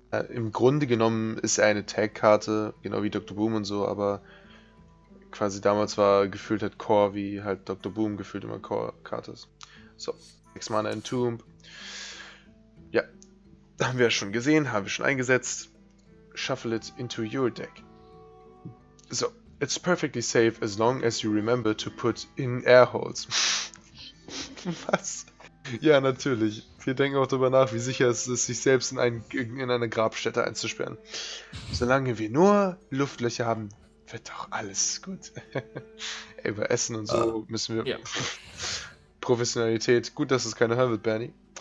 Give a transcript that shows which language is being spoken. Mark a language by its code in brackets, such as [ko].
[de] Im Grunde genommen ist er eine Tag-Karte, genau wie Dr. Boom und so, aber quasi damals war gefühlt halt Core, wie halt Dr. Boom gefühlt immer Core-Karte ist. So, 6 Mana in Tomb. Ja. Haben wir schon gesehen, haben wir schon eingesetzt. [en] Shuffle it into your deck. So, it's perfectly safe as long as you remember to put in air holes. [de] Was? Ja, natürlich. Wir denken auch darüber nach, wie sicher es ist, sich selbst in eine Grabstätte einzusperren. Solange wir nur Luftlöcher haben, wird doch alles gut. Ey, bei Essen und so müssen wir... [en] Yeah. [de] Professionalität. Gut, dass es keine hören wird, Berni.